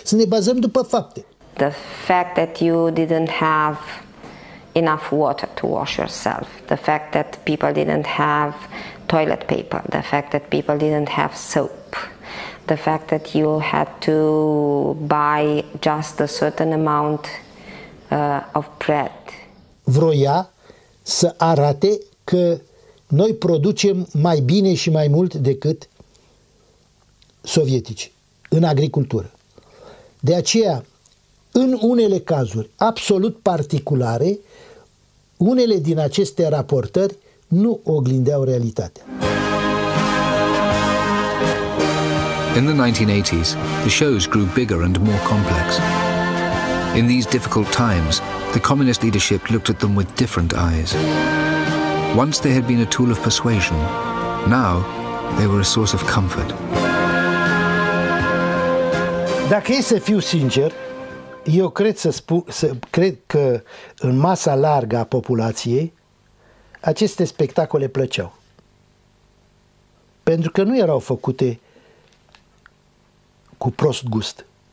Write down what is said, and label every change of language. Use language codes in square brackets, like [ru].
[en] The fact that you didn't have enough water to wash yourself, the fact that people didn't have toilet paper, the fact that people didn't have soap, the fact that you had to buy just a certain amount of bread. [ro] Vroia să arate că noi producem mai bine și mai mult decât sovietici în agricultură. De aceea, în unele cazuri absolut particulare, unele din aceste raportări nu oglindeau realitatea. [en] In the 1980s, the shows grew bigger and more complex. In these difficult times, the communist leadership looked at them with different eyes. Once they had been a tool of persuasion, now they were a source of comfort. [ro] Dacă e să fiu sincer, eu cred cred că în masa largă a populației aceste spectacole plăceau. Pentru că nu erau făcute cu prost gust.